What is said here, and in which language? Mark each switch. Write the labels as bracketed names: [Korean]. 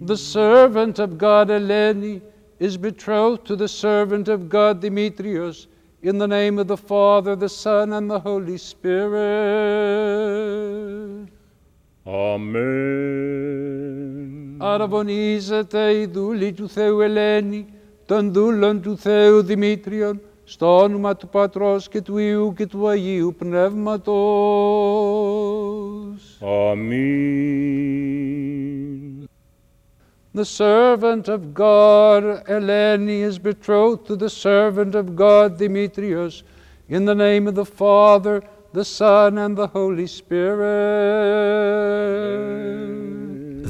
[English] The servant of God, Eleni, is betrothed to the servant of God, Demetrios, in the name of the Father, the Son, and the Holy Spirit. Amen. [Greek] Αραβωνίζεται η δούλη του Θεού, Ελένη, των δούλων του Θεού, Δημήτριον, στο όνομα του Πατρός και του Υιού και του Αγίου Πνεύματος. Αμήν. [English] The servant of God, Eleni, is betrothed to the servant of God, Demetrios, in the name of the Father, the Son, and the Holy Spirit.